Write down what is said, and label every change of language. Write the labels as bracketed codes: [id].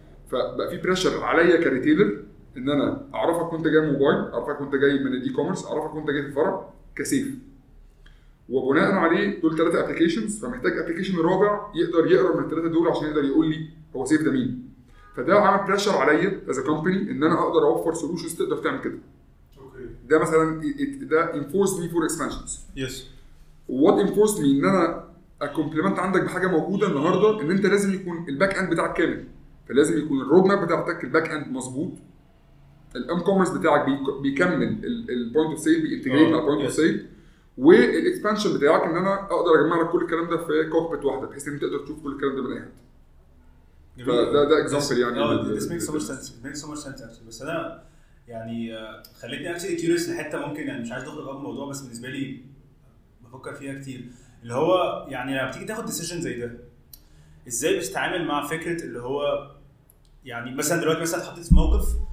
[ar] فبقى في بريشر عليا كريتيلر ان انا اعرفك وانت جاي موبايل, اعرفك وانت جاي من الاي كوميرس, اعرفك وانت جاي في الفرع كسيف. وبناء عليه دول ثلاثه ابلكيشنز, فمحتاج ابلكيشن رابع يقدر يقرا من الثلاثه دول عشان يقدر يقول لي هو سيف ده مين. فده عامل بريشر عليا [en] as a company [ar] ان انا اقدر اوفر سولوشنز تقدر تعمل كده. اوكي ده مثلا ده [en] enforced me for expansions. yes. what enforced me [ar] ان انا اكمبلمنت عندك بحاجه موجوده النهارده, ان انت لازم يكون الباك اند بتاعك كامل, فلازم يكون الرود ماب بتاعتك الباك اند مظبوط, الام كوميرس بتاعك بيكمل البوينت اوف سيل بيانتجريت مع البوينت اوف سيل, والاكسبانشن بتاعك ان انا اقدر اجمع لك كل الكلام ده في كوكبت واحده بحيث ان تقدر تشوف كل الكلام ده من اي حته. ده اكزامبل يعني [en] this makes so much sense. makes so much sense actually. [ar] بس انا يعني خليتني [en] actually curious [ar] لحتة ممكن يعني مش عايز ادخل في الموضوع بس بالنسبه لي بفكر فيها كتير, اللي هو يعني لما بتيجي تاخد decision زي ده ازاي بتتعامل مع فكره اللي هو يعني مثلا دلوقتي مثلا حطيت موقف